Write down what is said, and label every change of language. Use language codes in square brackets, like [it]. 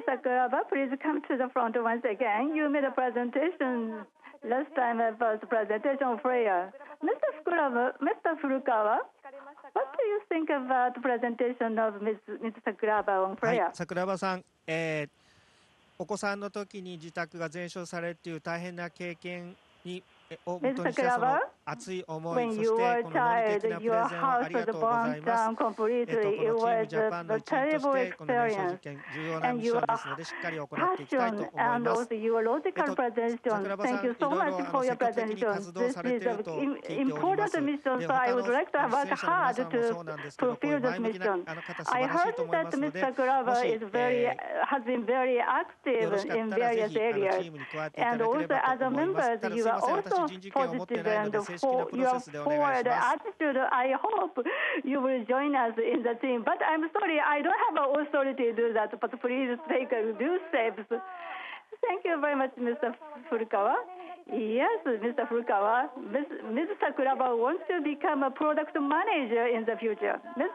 [en] Sakuraba, please come to the front once again. You made a presentation last time about the presentation of prayer. Mr. Furukawa, what do you think about the presentation of Ms. Sakuraba on prayer? Hi, Sakuraba-san. [ja] お子さんの時に自宅が全焼されるという大変な経験にを基にしたその熱い思い、そしてこの森的なプレゼンをありがとうございます。このチームジャパンの一員としてこの燃焼実験、重要なミッションですのでしっかり行っていきたいと思います。桜庭さん、いろいろ積極的に活動されていると聞いております。で、他の出演者の皆さんもそうなんですけど、こういう前向きな方素晴らしいと思いますので、もし、よろしかったらぜひあのチームに加えていただければと思います。ただすいません、私人事権を持ってないので [en] Your forward attitude, I hope you will join us in the team. But I'm sorry, I don't have authority to do that, but please take a few steps. Thank you very much, Mr. Furukawa. Yes, Mr. Furukawa, Ms. Sakuraba wants to become a product manager in the future. Ms.